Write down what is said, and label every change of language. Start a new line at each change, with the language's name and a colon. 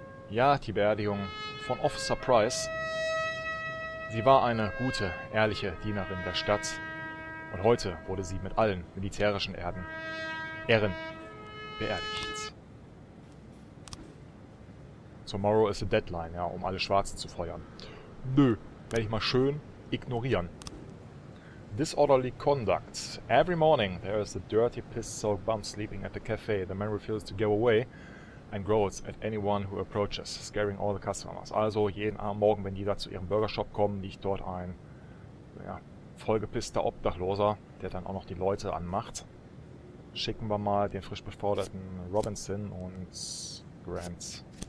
German: Ja, die Beerdigung von Officer Price. Sie war eine gute, ehrliche Dienerin der Stadt. Und heute wurde sie mit allen militärischen Ehren beerdigt.
English: Tomorrow is the deadline,
German: ja, um alle Schwarzen zu feuern. Nö, werde ich mal schön ignorieren.
English: Disorderly conduct. Every morning there is a dirty, piss-soaked bum sleeping at the cafe. The man refuses to go away. And growls at anyone who approaches, scaring all the customers.
German: Also jeden Abend morgen, wenn die da zu ihrem Burgershop kommen, liegt dort ein vollgepisster Obdachloser, der dann auch noch die Leute anmacht. Schicken wir mal den frisch beförderten Robinson und Grant.